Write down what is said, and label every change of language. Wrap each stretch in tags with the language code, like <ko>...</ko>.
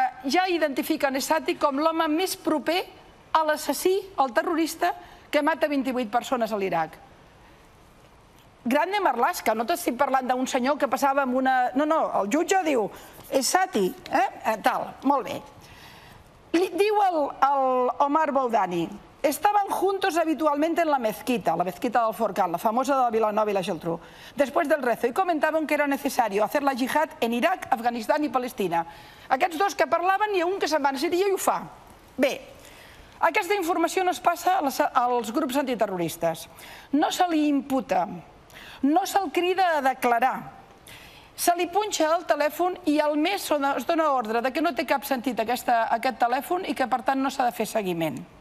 <ca>Ja identifiquen El Sati com l'home més proper a l'assassí, el terrorista, que mata 28 persones a l'Iraq. Grande Marlaska, no t'estic parlant d'un senyor que passava amb una... No, no, el jutge diu, El Sati, tal, molt bé. Li diu el</ca> <es>Omar Boudani, estaban juntos habitualmente en la mezquita del Forcal, la famosa de Vilanova i la Geltrú, después del rezo, y comentaban que era necesario hacer la jihad en Iraq, Afganistán y Palestina.</es> <ca>Aquests dos que parlaven, i un que se'n va a Síria i ho fa. Bé, aquesta informació no es passa als grups antiterroristes. No se li imputa, no se'l crida a declarar. Se li punxa el telèfon i al mes es dona ordre que no té cap sentit aquest telèfon i que per tant no s'ha de fer seguiment.</ca>